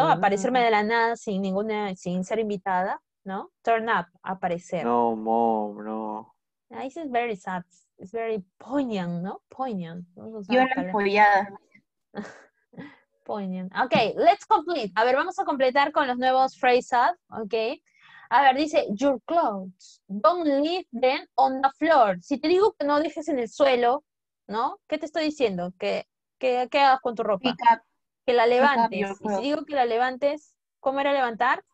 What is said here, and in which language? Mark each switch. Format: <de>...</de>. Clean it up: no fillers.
<es>Aparecerme de la nada sin ser invitada, ¿no?</es> <en>Turn up, aparecer. No, mom, no. This is very sad. It's very poignant,</en> <es>¿no?</es> <en>Poignant.</en> <es>Yo la apoyada.</es> <en>Poignant. Ok, let's complete.</en> <es>A ver, vamos a completar con los nuevos phrases.</es> <en>Ok. A ver, dice, your clothes, don't leave them on the floor.</en> <es>Si te digo que no dejes en el suelo, ¿no? ¿Qué te estoy diciendo? ¿Qué hagas con tu ropa?</es> <en>Pick up.</en> <es>Que la levantes. Y si digo que la levantes, ¿cómo era levantar?</es>